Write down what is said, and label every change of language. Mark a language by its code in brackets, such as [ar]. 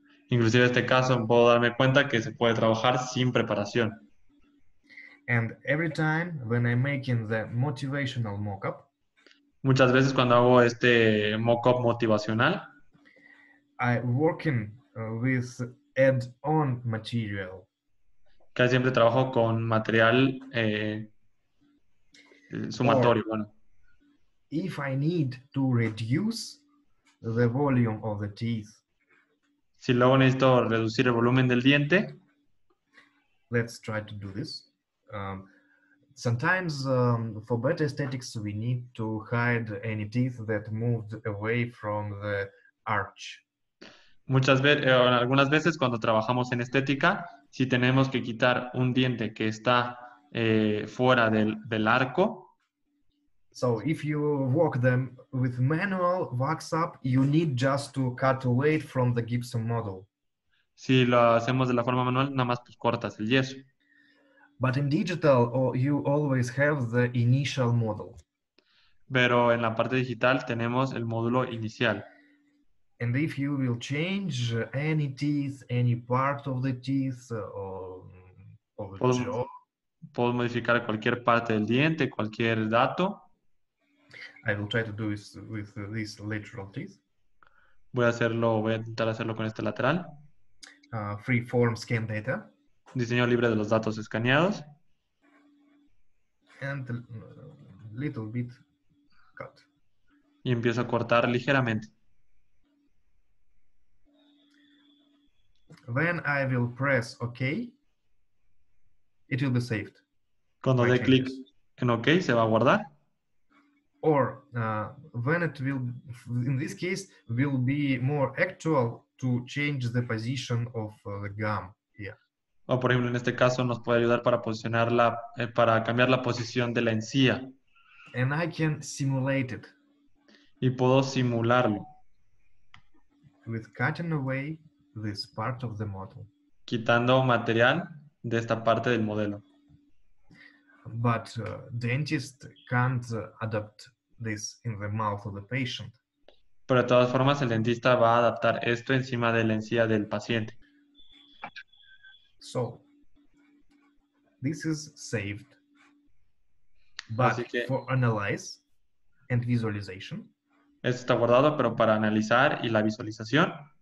[es] Inclusive en este caso puedo darme cuenta que se puede trabajar sin preparación. [en] And every time when I'm making the motivational mock-up. [es] Muchas veces cuando hago este mock-up motivacional. [en] I working with add-on material. [es] Casi siempre trabajo con material sumatorio. Bueno. [en] If I need to reduce the volume of the teeth. [es] Si luego necesito reducir el volumen del diente. [en] Let's try to do this. Sometimes for better aesthetics we need to hide any teeth that moved away from the arch. [es] Algunas veces cuando trabajamos en estética, si tenemos que quitar un diente que está fuera del arco. [en] So if you work them with manual wax up, you need just to cut away from the Gibson model. [es] Si lo hacemos de la forma manual, nada más pues cortas el yeso. [en] But in digital, you always have the initial model. [es] Pero en la parte digital tenemos el módulo inicial. [en] And if you will change any teeth, any part of the teeth, or the jaw. [es] Puedo modificar cualquier parte del diente, cualquier dato. [en] I will try to do this with these lateral teeth. [es] voy a intentar hacerlo con este lateral. [en] Free form scan data. [es] Diseño libre de los datos escaneados. [en] And a little bit cut. [es] Y empiezo a cortar ligeramente. [en] Then I will press OK. It will be saved. [es] Cuando dé clic en OK, se va a guardar. [en] Or when it will, in this case, will be more actual to change the position of the gum here. [es] O por ejemplo, en este caso, nos puede ayudar para posicionarla, para cambiar la posición de la encía. [en] And I can simulate it. [es] Y puedo simularlo. [en] With cutting away this part of the model. [es] Quitando material de esta parte del modelo. [en] But dentists can't adapt this in the mouth of the patient. [es] Pero de todas formas, el dentista va a adaptar esto encima de la encía del paciente. [en] So, this is saved. But [es] así que, [en] for analyze and visualization. [es] Esto está guardado, pero para analizar y la visualización.